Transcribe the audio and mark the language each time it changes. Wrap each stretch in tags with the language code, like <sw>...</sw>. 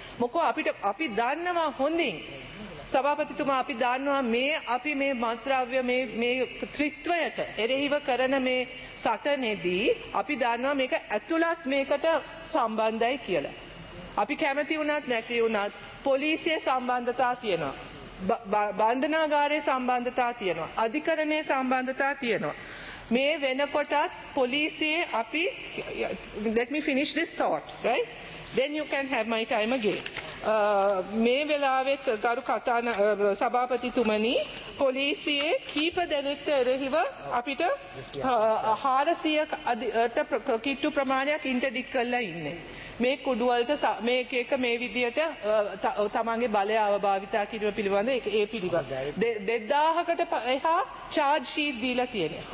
<si>මොකෝ අපිට අපි දන්නවා හොඳින් සභාපතිතුමා, අපි දන්නවා මේ අපි මේ මන්ත්‍රව්‍ය මේ ත්‍රිත්වයට එරෙහිව කරන මේ සටනේදී අපි දන්නවා මේක ඇතුළත් මේකට සම්බන්ධයි කියලා. අපි කැමති වුණත් නැති වුණත් පොලිසිය සම්බන්ධතා තියෙනවා, බන්ධනාගාරයේ සම්බන්ධතා තියෙනවා, අධිකරණයේ සම්බන්ධතා තියෙනවා. මේ වෙනකොටත් පොලිසියේ අපි</si> <en>let me finish this thought, right? Then you can have my time again.</en> <si>මේ වෙලාවෙත් ගරු කතා සභාපතිතුමනි, පොලිසියේ කීප දෙනෙක්ට එරෙහිව අපිට 400ට කිට්ටු ප්‍රමාණයක් ඉන්ටඩික් කරලා ඉන්නේ. මේ කුඩුවලට මේ එක එක මේ විදියට තමන්ගේ බලය අවභාවිතා කිරීම පිළිබඳ ඒ පිළිබඳ 2000කට එහා චාර්ජ් ෂීට් දීලා තියෙනවා.</si>